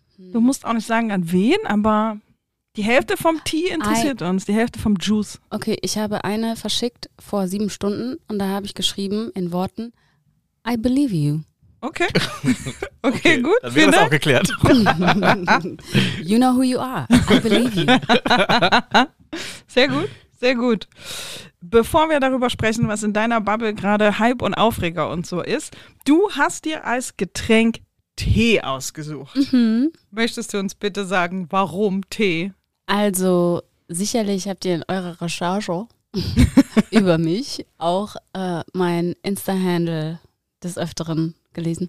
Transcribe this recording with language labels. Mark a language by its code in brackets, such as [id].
[de] Du musst auch nicht sagen, an wen, aber die Hälfte vom Tee interessiert uns, die Hälfte vom Juice. Okay, ich habe eine verschickt vor 7 Stunden und da habe ich geschrieben in Worten, [en] I believe you. [de] Okay. Okay, gut. Dann wird das auch geklärt. [en] You know who you are. I believe you. [de] Sehr gut, sehr gut. Bevor wir darüber sprechen, was in deiner Bubble gerade Hype und Aufreger und so ist, du hast dir als Getränk Tee ausgesucht. Mhm. Möchtest du uns bitte sagen, warum Tee? Also, sicherlich habt ihr in eurer Recherche über mich auch mein Insta-Handle des Öfteren gelesen.